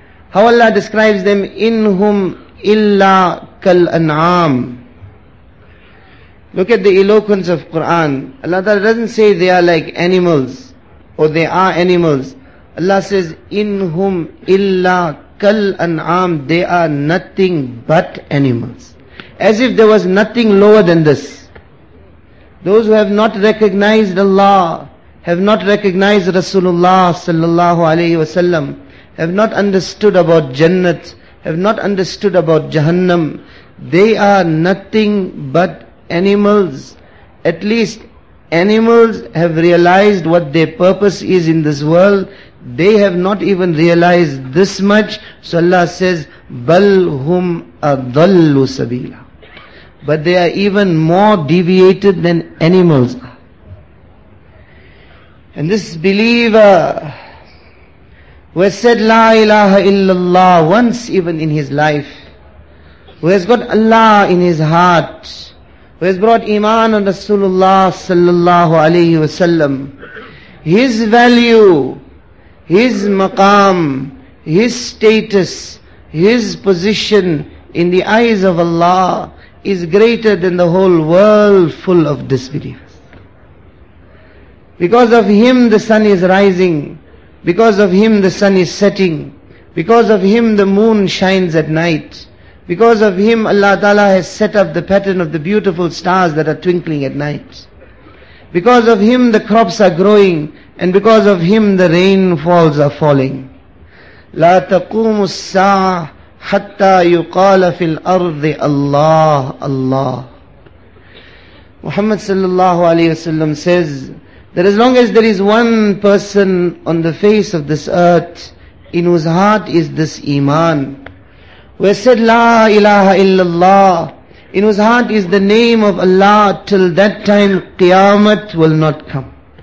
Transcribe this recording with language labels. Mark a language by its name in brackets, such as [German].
[English] How Allah describes them, [Arabic] إِنْهُمْ إِلَّا كَالْأَنْعَامِ. [English] Look at the eloquence of Quran. Allah Ta'ala doesn't say they are like animals, or they are animals. [Arabic] Allah says, إِنْهُمْ إِلَّا كَالْأَنْعَامِ. [English] They are nothing but animals. As if there was nothing lower than this. Those who have not recognized Allah, have not recognized Rasulullah sallallahu alayhi wa sallam, have not understood about Jannat, have not understood about Jahannam, they are nothing but animals. At least animals have realized what their purpose is in this world. They have not even realized this much. So Allah says, [Arabic] بَلْ هُمْ أَضَلُّ سَبِيلًا. [English] But they are even more deviated than animals. And this believer who has said La ilaha illallah once even in his life, who has got Allah in his heart, who has brought Iman on Rasulullah sallallahu alayhi wa sallam, his value, his maqam, his status, his position in the eyes of Allah is greater than the whole world full of disbelievers. Because of him the sun is rising, because of him the sun is setting, because of him the moon shines at night, because of him Allah Ta'ala has set up the pattern of the beautiful stars that are twinkling at night, because of him the crops are growing, and because of him the rainfalls are falling. [Arabic] لا تقوم الساعة حتى يقال في الأرض الله الله. [English] Muhammad sallallahu alayhi wasallam says that as long as there is one person on the face of this earth in whose heart is this iman, who has said La ilaha illallah, in whose heart is the name of Allah, till that time Qiyamah will not come.